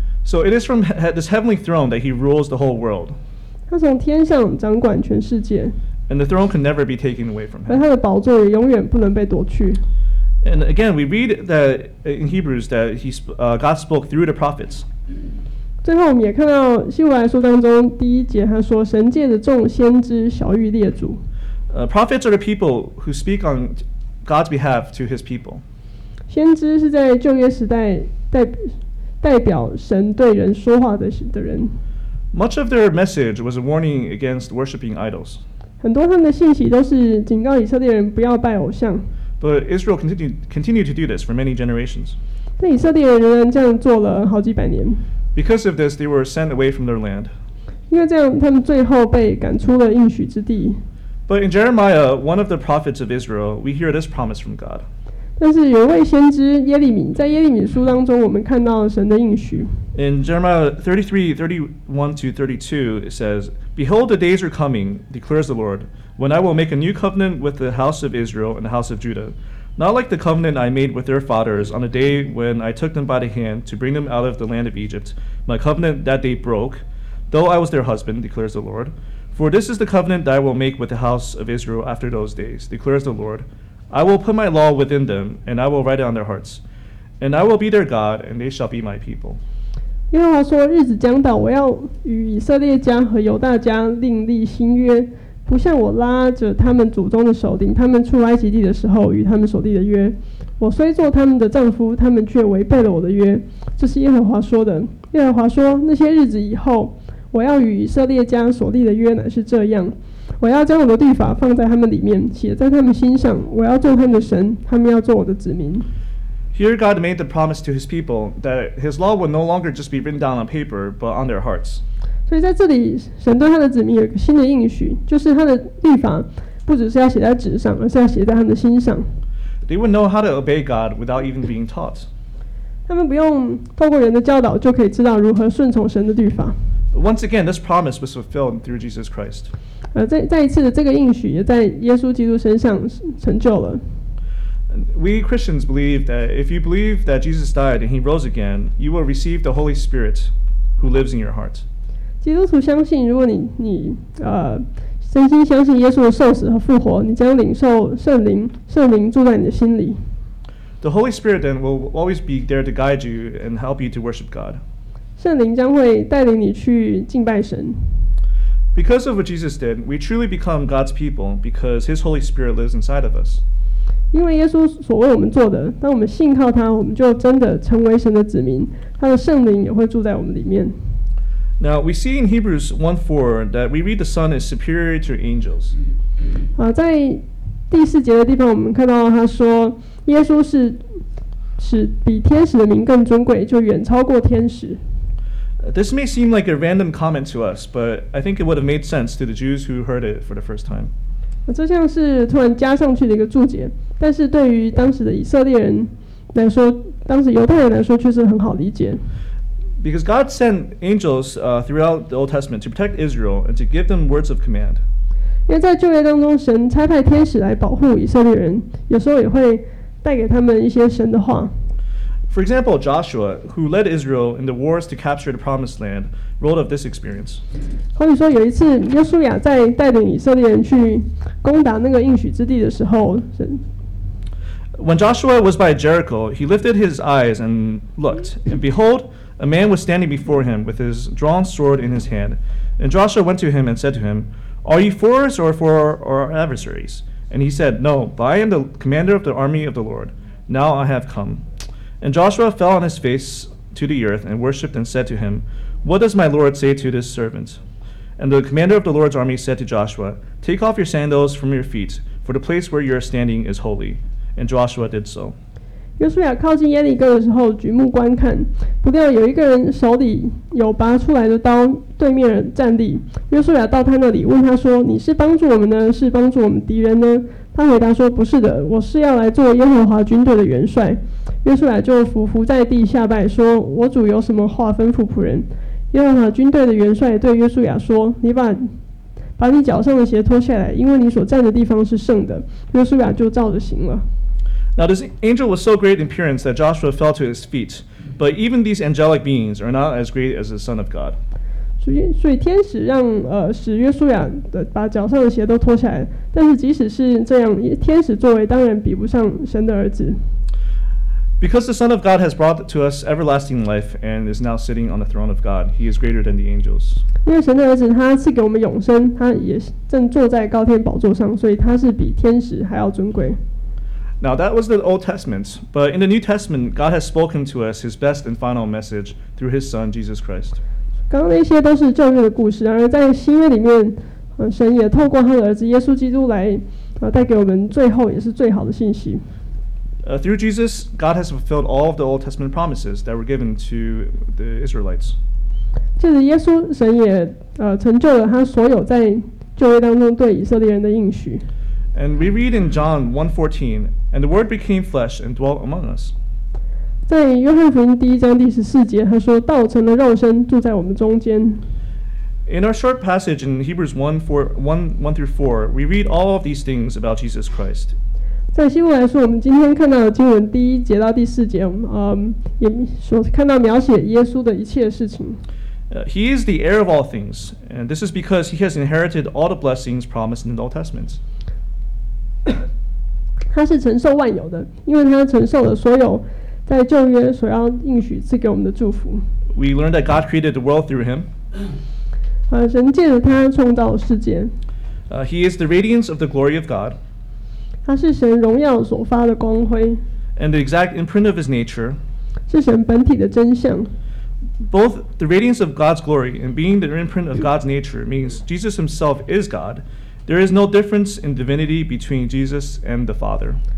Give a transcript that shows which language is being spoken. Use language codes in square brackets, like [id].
[en] So it is from this heavenly throne that he rules the whole world. [zh] 他从天上掌管全世界。 [en] And the throne can never be taken away from him. [zh] 而他的宝座也永远不能被夺去。 [en] And again, we read that in Hebrews that God spoke through the prophets. [zh] 最后，我们也看到希伯来书当中第一节，他说：“神借着众先知晓谕列祖。” [en] Prophets are the people who speak on God's behalf to His people. [zh] 先知是在旧约时代代表神对人说话的人。 [en] Much of their message was a warning against worshiping idols. [zh] 很多他们的信息都是警告以色列人不要拜偶像。 [en] But Israel continued to do this for many generations. [zh] 但以色列人仍然这样做了好几百年。 [en] Because of this, they were sent away from their land. [zh] 因为这样，他们最后被赶出了应许之地。 [en] But in Jeremiah, one of the prophets of Israel, we hear this promise from God. [zh] 但是有一位先知耶利米，在耶利米书当中，我们看到了神的应许。 [en] In Jeremiah 33:31-32, it says, "Behold, the days are coming," declares the Lord, "when I will make a new covenant with the house of Israel and the house of Judah, not like the covenant I made with their fathers on the day when I took them by the hand to bring them out of the land of Egypt, my covenant that they broke, though I was their husband," declares the Lord. "For this is the covenant that I will make with the house of Israel after those days," declares the Lord. "I will put my law within them, and I will write it on their hearts. And I will be their God, and they shall be my people." [zh] 耶和华说，日子将到，我要与以色列家和犹大家另立新约，不像我拉着他们祖宗的手，领他们出埃及地的时候与他们所立的约。我虽做他们的丈夫，他们却违背了我的约。这是耶和华说的。耶和华说，那些日子以后，我要与以色列家所立的约乃是这样，我要将我的律法放在他们里面，写在他们心上。我要做他们的神，他们要做我的子民。 [en] Here God made the promise to His people that His law would no longer just be written down on paper, but on their hearts. [zh] 所以在这里，神对他的子民有一个新的应许，就是他的律法不只是要写在纸上，而是要写在他们的心上。 [en] They would know how to obey God without even being taught. [zh] 他们不用透过人的教导就可以知道如何顺从神的律法。 [en] Once again, this promise was fulfilled through Jesus Christ. [zh] 再一次的这个应许也在耶稣基督身上成就了。 [en] We Christians believe that if you believe that Jesus died and He rose again, you will receive the Holy Spirit who lives in your heart. [zh] 基督徒相信，如果你真心相信耶稣的受死和复活，你将领受圣灵住在你的心里。 [en] The Holy Spirit then will always be there to guide you and help you to worship God. [zh] 圣灵将会带领你去敬拜神。 [en] Because of what Jesus did, we truly become God's people because His Holy Spirit lives inside of us. [zh] 因为耶稣所为我们做的，当我们信靠他，我们就真的成为神的子民，他的圣灵也会住在我们里面。 [en] Now we see in Hebrews 1:4 that we read the Son is superior to angels. [zh] 在第四节的地方，我们看到他说耶稣是比天使的名更尊贵，就远超过天使。 [en] This may seem like a random comment to us, but I think it would have made sense to the Jews who heard it for the first time. [zh] 这像是突然加上去的一个注解，但是对于当时的以色列人来说，当时犹太人来说却是很好理解。 [en] Because God sent angels throughout the Old Testament to protect Israel and to give them words of command. [zh] 因为在旧约当中，神差派天使来保护以色列人，有时候也会带给他们一些神的话。 [en] For example, Joshua, who led Israel in the wars to capture the Promised Land, wrote of this experience. [zh] 可以说有一次，约书亚在带领以色列人去攻打那个应许之地的时候，神。 [en] When Joshua was by Jericho, he lifted his eyes and looked, and behold, a man was standing before him with his drawn sword in his hand. And Joshua went to him and said to him, "Are you for us or for our adversaries?" And he said, "No, but I am the commander of the army of the Lord. Now I have come." And Joshua fell on his face to the earth and worshipped and said to him, "What does my Lord say to this servant?" And the commander of the Lord's army said to Joshua, "Take off your sandals from your feet, for the place where you are standing is holy." And Joshua did so. [zh] 约书亚靠近耶利哥的时候，举目观看，不料有一个人手里有拔出来的刀，对面人站立。约书亚到他那里，问他说，你是帮助我们呢，是帮助我们敌人呢？他回答说，不是的，我是要来做耶和华军队的元帅。约书亚就伏在地下拜，说：“我主有什么话吩咐仆人？”耶和华军队的元帅对约书亚说：“你把把你脚上的鞋脱下来，因为你所站的地方是圣的。约书亚就照着行了。 [en] Now this angel was so great in appearance that Joshua fell to his feet. But even these angelic beings are not as great as the Son of God. [zh] 所以天使让使约书亚的把脚上的鞋都脱下来，但是即使是这样，天使作为当然比不上神的儿子。 [en] Because the Son of God has brought to us everlasting life and is now sitting on the throne of God, He is greater than the angels. [zh] 因为神的儿子他赐给我们永生，他也正坐在高天宝座上，所以他是比天使还要尊贵。 [en] Now that was the Old Testament, but in the New Testament, God has spoken to us His best and final message through His Son, Jesus Christ. [zh] 刚刚那些都是旧约的故事，然而在新约里面，神也透过他的儿子耶稣基督来，带给我们最后也是最好的信息。 [en] Through Jesus, God has fulfilled all of the Old Testament promises that were given to the Israelites. [zh] 借着耶稣，神也成就了他所有在旧约当中对以色列人的应许。 [en] And we read in John 1:14, and the Word became flesh and dwelt among us. [zh] 在约翰福音第一章第十四节，他说道成了肉身，住在我们中间。 [en] In our short passage in Hebrews 1:1-4, we read all of these things about Jesus Christ. [zh] 在希伯来书，我们今天看到的经文第一节到第四节，也所看到描写耶稣的一切事情。 [en] He is the heir of all things, and this is because he has inherited all the blessings promised in the Old Testament. [zh] 他是承受万有的，因为他承受了所有在旧约所要应许赐给我们的祝福。 [en] We learned that God created the world through him. [zh] 神借着他创造世界。 [en] He is the radiance of the glory of God. [zh] 他是神荣耀所发的光辉 [en] and the exact imprint of his nature [zh] 是神本体的真相 [en] both the radiance of God's glory and being the imprint of God's nature means Jesus himself is God there is no difference in divinity between Jesus and the Father